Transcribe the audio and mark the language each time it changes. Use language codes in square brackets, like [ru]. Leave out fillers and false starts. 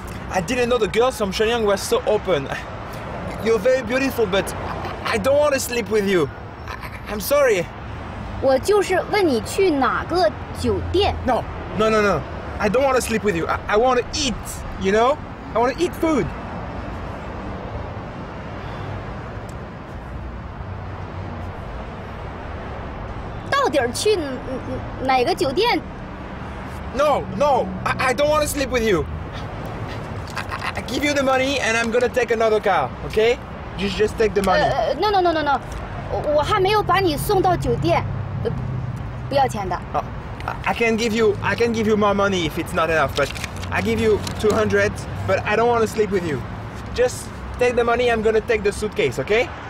[en] I didn't know the girls from Shenyang were so open. You're very beautiful, but I don't want to sleep with you. I'm sorry. [zh] 我就是问你去哪个酒店。 [en] No. I don't want to sleep with you. I want to eat, you know? I want to eat food. [zh] 到底去哪个酒店？ [en] No, I don't want to sleep with you. I give you the money and I'm going to take another car, okay? Just take the money. No. [zh] 我还没有把你送到酒店，不要钱的。 [en] I can give you more money if it's not enough, but I give you 200, but I don't want to sleep with you. Just take the money, I'm going to take the suitcase, okay?